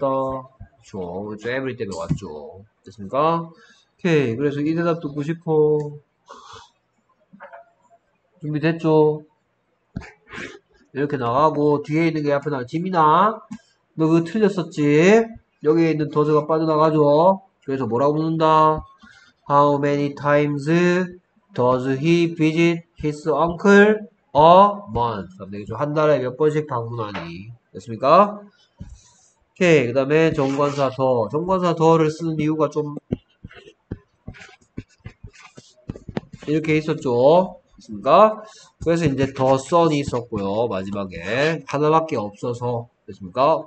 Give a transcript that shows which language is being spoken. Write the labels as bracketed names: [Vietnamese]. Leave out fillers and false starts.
[Korean] 그렇죠. 에브리 때문에 왔죠. 됐습니까? 오케이. 그래서 이 대답 듣고 싶어. 준비됐죠? 이렇게 나가고, 뒤에 있는 게 앞에 나와. 지민아, 너 그거 틀렸었지? 여기에 있는 더즈가 빠져나가죠? 그래서 뭐라고 묻는다? [English] How many times does he visit his uncle? A month. [Korean] 한 달에 몇 번씩 방문하니. 됐습니까? 오케이. 그 다음에 정관사 더. 정관사 더를 쓰는 이유가 좀, 이렇게 있었죠. 됐습니까? 그래서 이제 더 선이 있었고요. 마지막에. 하나밖에 없어서. 됐습니까?